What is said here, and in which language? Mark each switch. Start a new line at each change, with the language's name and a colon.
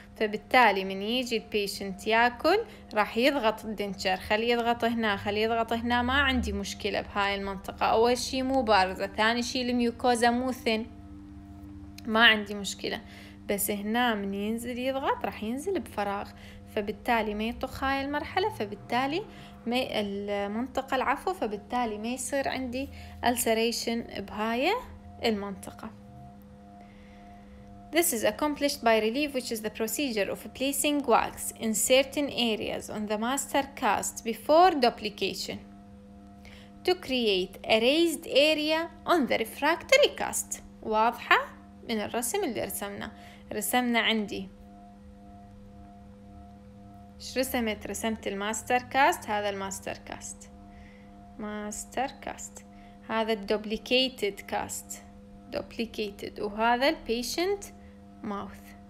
Arabic: فبالتالي من يجي البيشنت ياكل راح يضغط الدنتشر، خلي يضغط هنا خلي يضغط هنا، ما عندي مشكلة بهاي المنطقة، اول شي مو بارزة، ثاني شي الميوكوزا مو ثين، ما عندي مشكلة، بس هنا من ينزل يضغط راح ينزل بفراغ، فبالتالي ما يطخ هاي المرحلة، فبالتالي ما المنطقة العفو، فبالتالي ما يصير عندي ألسريشن بهاي المنطقة.
English: This is accomplished by relief, which is the procedure of placing wax in certain areas on the master cast before duplication to create a raised area on the refractory cast.
Arabic: واضحة من الرسم اللي رسمنا، رسمنا عندي ش رسمت؟ رسمت الماستر كاست، هذا الماستر كاست، ماستر كاست، هذا الدوبليكيتد كاست، دوبليكيتد، وهذا البيشنت ماوث.